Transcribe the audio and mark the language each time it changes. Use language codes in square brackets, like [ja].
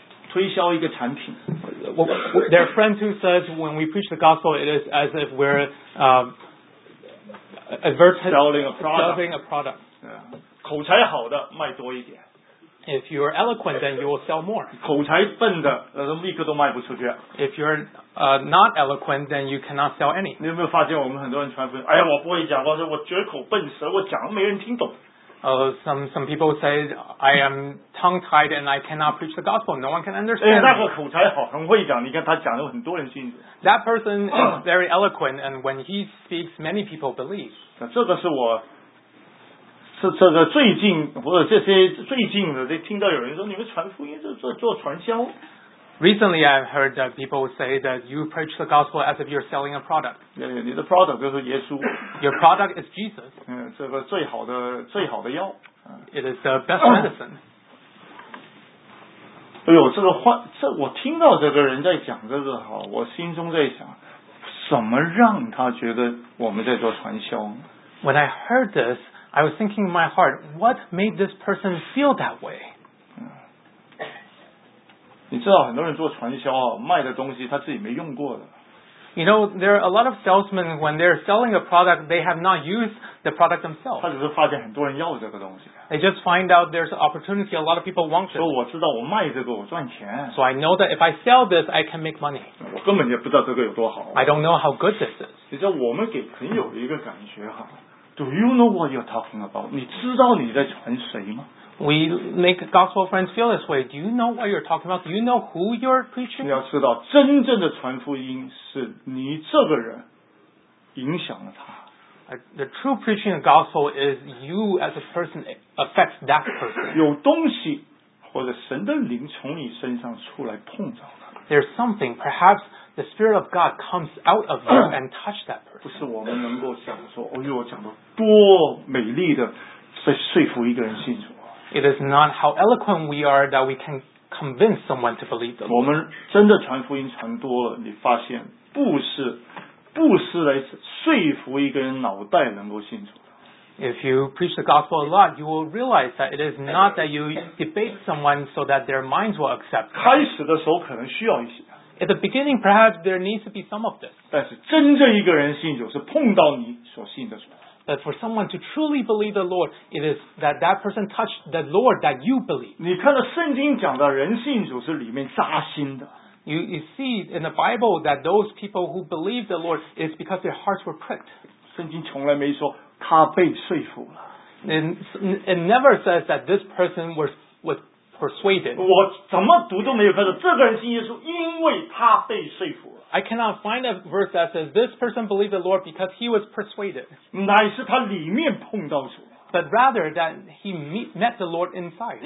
[zh] 推销一个产品。 [en] There are friends who says when we preach the gospel, it is as if we're selling a product. [zh] 口才好的卖多一点。 [en] If you are eloquent, then you will sell more. [zh] 口才笨的，一个都卖不出去。 [en] If you are not eloquent, then you cannot sell any. [zh] 你有没有发现我们很多人传福音？哎呀，我不会讲，或者我绝口笨舌，我讲没人听懂。 [en] Some people say I am tongue tied and I cannot preach the gospel. No one can understand. [zh] 那个口才好，很会讲。你看他讲的，很多人信。 [en] That person is very eloquent, and when he speaks, many people believe. [zh] 这个是我，是这个最近不是这些最近的，这听到有人说你们传福音是做传销。 [en] Recently, I've heard that people say that you preach the gospel as if you're selling a product. [zh] Yeah, 你的 product 就是耶稣。 [en] Your product is Jesus. [zh] 这个最好的药。 [en] It is the best medicine. [zh] 哎呦，这个话，这我听到这个人在讲这个哈，我心中在想，怎么让他觉得我们在做传销？ [en] When I heard this, I was thinking in my heart, what made this person feel that way? [zh] 你知道很多人做传销啊，卖的东西他自己没用过的。 [en] You know, there are a lot of salesmen when they're selling a product, they have not used the product themselves. [zh] 他只是发现很多人要这个东西。 [en] They just find out there's an opportunity, a lot of people want it. [zh] 所以我知道我卖这个我赚钱。 [en] So I know that if I sell this, I can make money. [zh] 我根本也不知道这个有多好。 [en] I don't know how good this is. [zh] 你知道我们给朋友一个感觉哈， [en] Do you know what you're talking about? [zh] 你知道你在传谁吗？ [en] We make gospel friends feel this way. Do you know what you're talking about? Do you know who you're preaching? [zh] 你要知道，真正的传福音是你这个人影响了他。 [en] The true preaching of gospel is you as a person affects that person. [zh] 有东西或者神的灵从你身上出来碰着了。 [en] There's something, perhaps the Spirit of God comes out of you and touch that person. [zh] 不是我们能够想说，哦呦，讲得多美丽的，在说服一个人信主。 [en] It is not how eloquent we are that we can convince someone to believe the Lord. [zh] 我们真的传福音传多了，你发现不是来说服一个人脑袋能够信主。 [en] If you preach the gospel a lot, you will realize that it is not that you debate someone so that their minds will accept. [zh] 开始的时候可能需要一些。 [en] At the beginning, perhaps there needs to be some of this. [zh] 但是真正一个人信主是碰到你所信的主。 [en] But for someone to truly believe the Lord, it is that that person touched the Lord that you believe. [zh] 你看到圣经讲的人信主是里面扎心的。 [en] You see in the Bible that those people who believe the Lord is because their hearts were pricked. [zh] 圣经从来没说他被说服了。 [en] It never says that this person was persuaded. [zh] 我怎么读都没有看到这个人信耶稣，因为他被说服了。 [en] I cannot find a verse that says this person believed the Lord because he was persuaded. [zh] 乃是他里面碰到主。 [en] But rather that he met the Lord inside.